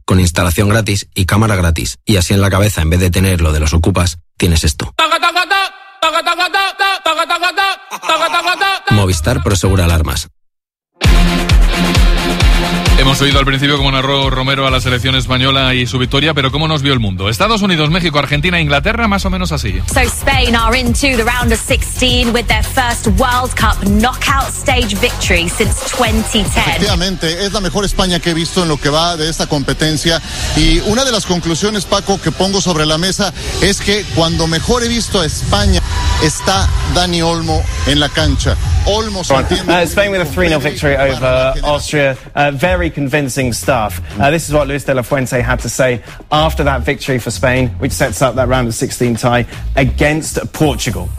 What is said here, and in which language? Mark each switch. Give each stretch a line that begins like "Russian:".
Spanish: Con instalación gratis y cámara gratis. Y así en la cabeza, en vez de tener lo de los ocupas, tienes esto. Movistar Prosegura Alarmas. Hemos oído al principio cómo narró Romero a la selección española y su victoria, pero ¿cómo nos vio el mundo? Estados Unidos, México, Argentina, Inglaterra, más o menos así.
English: So Spain are into the round of 16 with their first World Cup knockout stage victory since 2010.
Spanish: Efectivamente, es la mejor España que he visto en lo que va de esta competencia. Y una de las conclusiones, Paco, que pongo sobre la mesa es que cuando mejor he visto a España está Dani Olmo en la cancha. Olmo se entiende.
English: Spain with a 3-0 victory over Austria. Very convincing stuff. This is what Luis de la Fuente had to say after that victory for Spain, which sets up that round of 16 tie against Portugal.